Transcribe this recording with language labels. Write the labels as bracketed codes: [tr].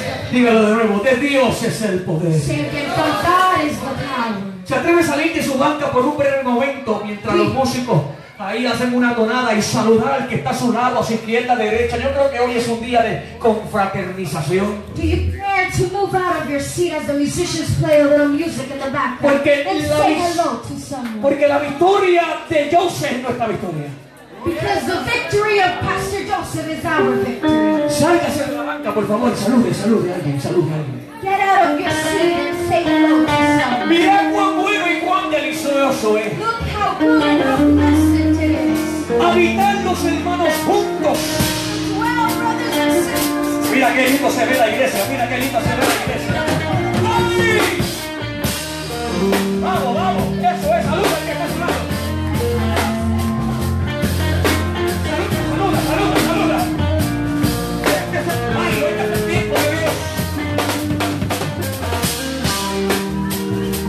[es] Dígalo de nuevo, de Dios es el poder. ¿Se atreve a salir de su banca por un breve momento mientras los músicos ahí hacen una tonada y saludar al que está a su lado, a su izquierda, derecha? Yo creo que hoy es un día de confraternización. [en] To move out of your seat as the musicians play a little music in the background and say hello to someone. [es] Porque la victoria de Joseph es nuestra victoria. [en] Because the victory of Pastor Joseph is our victory. [es] Sálgase de la banca, por favor, salude, salude a alguien, salude a alguien. [en] Get out of your seat and say hello to someone. [es] Mira cuán bueno y cuán delicioso es. [en] Look how good and how blessed it is. [es] Habitar los hermanos juntos. [en] Well, brothers and sisters. [es] Mira qué lindo se ve la iglesia, mira qué lindo se ve la iglesia. ¡Ay! Vamos, vamos, eso es, saluda al que está a su lado. Saluda, saluda, saluda, saluda. Este es el barrio, este es el tiempo de Dios.